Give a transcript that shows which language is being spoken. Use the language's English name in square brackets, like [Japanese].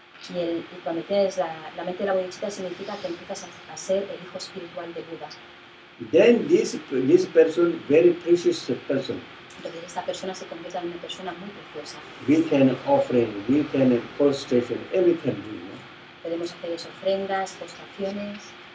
[Spanish] Y cuando tienes la mente de la bodhicitta, significa que empiezas a ser el hijo espiritual de Buda. [English] Then this person, very precious person. [Spanish] Entonces esta persona se convierte en una persona muy preciosa. [English] We can offer, we can prostration, everything we do. [Spanish] Podemos hacer ofrendas, prostraciones.